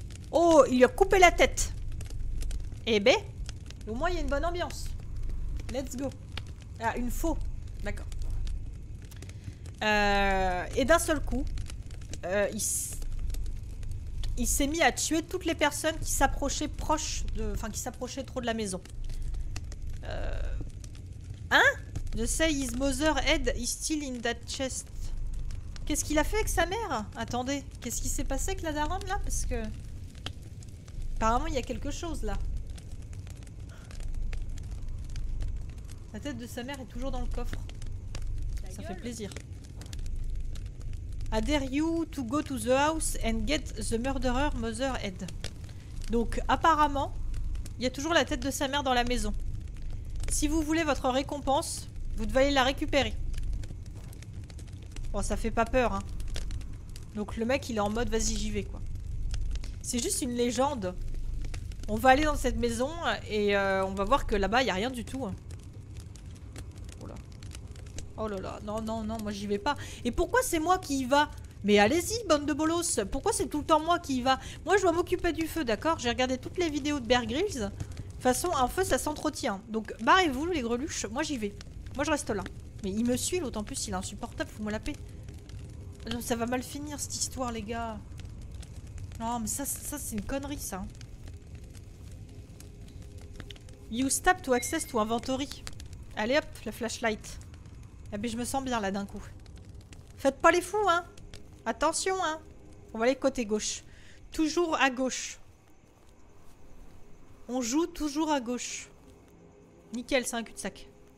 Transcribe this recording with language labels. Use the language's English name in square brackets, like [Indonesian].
[French] Oh, il lui a coupé la tête. Eh ben, au moins, il y a une bonne ambiance. [English] Let's go. [French] Ah, une faux. D'accord. Et d'un seul coup, il s'est mis à tuer toutes les personnes qui s'approchaient proches de... Enfin, qui s'approchaient trop de la maison. Hein? [English] De say his mother head is still in that chest. [French] Qu'est-ce qu'il a fait avec sa mère? Attendez, qu'est-ce qui s'est passé avec la daronne là? Parce que... Apparemment il y a quelque chose là. La tête de sa mère est toujours dans le coffre. Ça fait plaisir. [English] I dare you to go to the house and get the murderer mother head. [French] Donc apparemment, il y a toujours la tête de sa mère dans la maison. Si vous voulez votre récompense, vous devez aller la récupérer. Bon, ça fait pas peur, hein. Donc le mec, il est en mode, vas-y, j'y vais, quoi. C'est juste une légende. On va aller dans cette maison et on va voir que là-bas, il n'y a rien du tout. Oh là. Oh là là, non, non, non, moi j'y vais pas. Et pourquoi c'est moi qui y va? Mais allez-y, bande de bolos. Pourquoi c'est tout le temps moi qui y va? Moi, je dois m'occuper du feu, d'accord? J'ai regardé toutes les vidéos de Bear Grylls. De toute façon, un feu, ça s'entretient. Donc, barrez-vous, les greluches. Moi, j'y vais. Moi, je reste là. Mais il me suit, d'autant plus il est insupportable. Faut me la paix. Non, ça va mal finir, cette histoire, les gars. Non, mais ça, c'est une connerie, ça. [English] Use tap to access to inventory. [French] Allez, hop, la flashlight. Ah, mais je me sens bien, là, d'un coup. Faites pas les fous, hein. Attention, hein. On va aller côté gauche. Toujours à gauche. On joue toujours à gauche. Nickel, c'est un cul-de-sac.